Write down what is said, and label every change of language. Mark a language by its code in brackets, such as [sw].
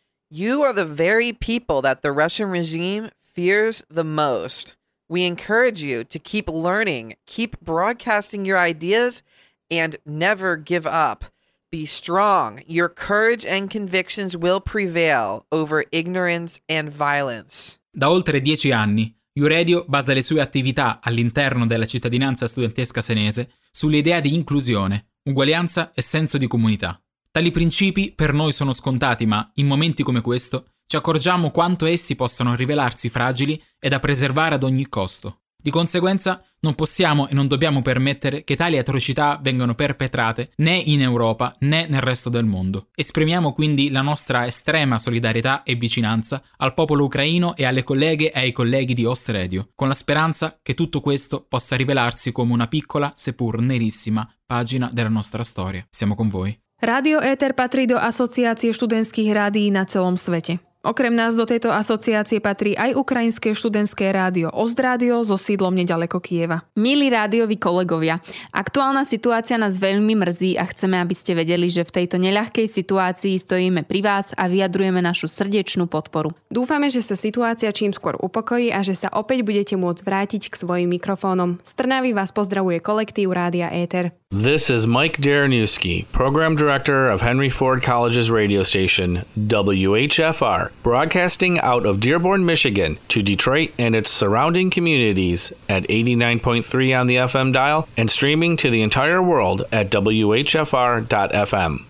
[en] You are the very people that the Russian regime fears the most. We encourage you to keep learning, keep broadcasting your ideas, and never give up. Be Be strong. Your courage and convictions will prevail over ignorance and violence. [it] Da oltre 10 anni, U-Radio basa le sue attività all'interno della cittadinanza studentesca senese sull'idea di inclusione, uguaglianza e senso di comunità. Tali principi per noi sono scontati, ma in momenti come questo ci accorgiamo quanto essi possano rivelarsi fragili e da preservare ad ogni costo. Di conseguenza, non possiamo e non dobbiamo permettere che tali atrocità vengano perpetrate né in Europa né nel resto del mondo. Esprimiamo quindi la nostra estrema solidarietà e vicinanza al popolo ucraino e alle colleghe e ai colleghi di Host Radio, con la speranza che tutto questo possa rivelarsi come una piccola, seppur nerissima, pagina della nostra storia. Siamo con voi. [sk] Radio Eter patrí do asociácie študentských rádií na celom svete. Okrem nás do tejto asociácie patrí aj ukrajinské študentské rádio Ost Radio so sídlom nedaleko Kieva. Milí rádioví kolegovia, aktuálna situácia nás veľmi mrzí a chceme, aby ste vedeli, že v tejto neľahkej situácii stojíme pri vás a vyjadrujeme našu srdečnú podporu. Dúfame, že sa situácia čím skôr upokojí a že sa opäť budete môcť vrátiť k svojim mikrofónom. Z Trnavy vás pozdravuje kolektív Rádia Éter. [en] This is Mike Daranewski, Program Director of Henry Ford College's radio station, WHFR, broadcasting out of Dearborn, Michigan, to Detroit and its surrounding communities at 89.3 on the FM dial and streaming to the entire world at WHFR.FM.